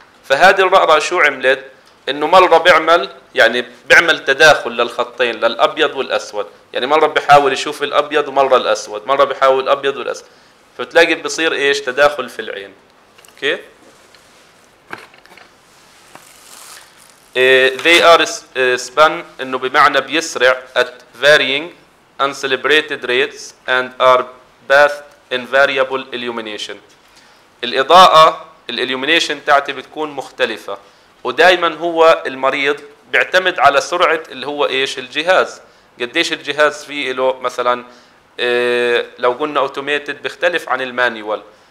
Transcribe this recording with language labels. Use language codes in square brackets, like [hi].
[ar] فهذه الرقرة شو عملت؟ انه مره بيعمل يعني بيعمل تداخل للخطين، للابيض والاسود، يعني مره بحاول يشوف الابيض ومره الاسود، مره بحاول الابيض والاسود، فتلاقي بصير ايش؟ تداخل في العين. اوكي. [en] they are span [ar] انه بمعنى بيسرع، [en] at varying uncelebrated rates and are bathed in variable illumination. [ar] الإضاءة الإليومينيشن تاعتي بتكون مختلفة، ودائما هو المريض بيعتمد على سرعة اللي هو ايش؟ الجهاز. قديش الجهاز فيه له مثلا، لو قلنا اوتوميتد بيختلف عن المانيوال.